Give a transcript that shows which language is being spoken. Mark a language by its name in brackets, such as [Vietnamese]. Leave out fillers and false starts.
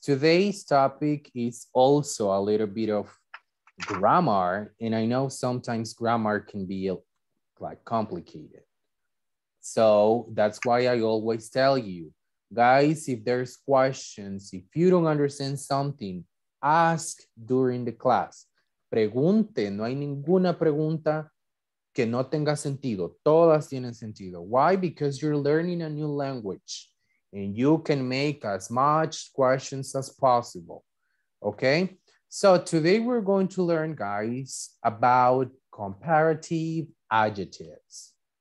[English] Today's topic is also a little bit of grammar, and I know sometimes grammar can be like complicated. So that's why I always tell you, guys, if there's questions, if you don't understand something, ask during the class. [Spanish] Pregunte, no hay ninguna pregunta que no tenga sentido. Todas tienen sentido. [English] Why? Because you're learning a new language and you can make as much questions as possible. Okay? So today we're going to learn, guys, about comparative adjectives.